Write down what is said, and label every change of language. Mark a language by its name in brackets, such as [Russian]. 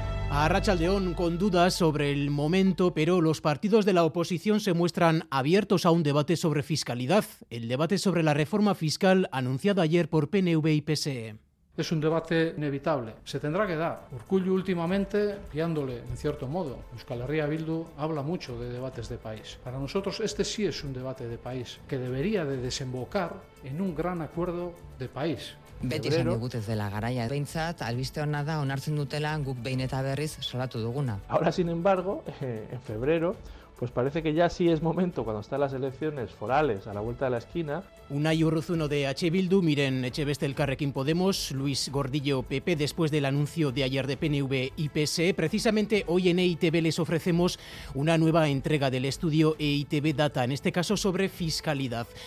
[Spanish] A Arratsaldeon, con dudas sobre el momento, pero los partidos de la oposición se muestran abiertos a un debate sobre fiscalidad, el debate sobre la reforma fiscal anunciada ayer por PNV y PSE. Es un debate inevitable, se tendrá que dar. Urkullu últimamente, guiándole en cierto modo, Euskal Herria Bildu habla mucho de debates de país. Para nosotros este sí es un debate de país, que debería de desembocar en un gran acuerdo de país. [Basque] Beti esan digut ez dela garaia. Behintzat, albiste hona da onartzen dutela guk behin eta berriz salatu duguna. [Spanish] Ahora, sin embargo, en febrero, pues parece que ya sí es momento cuando están las elecciones forales a la vuelta de la esquina. Unai Urruzuno de H. Bildu, Miren Etxebeste Elkarrekin Podemos, Luis Gordillo PP, después del anuncio de ayer de PNV y PSE. Precisamente hoy en EITB les ofrecemos una nueva entrega del estudio EITB Data, en este caso sobre fiscalidad.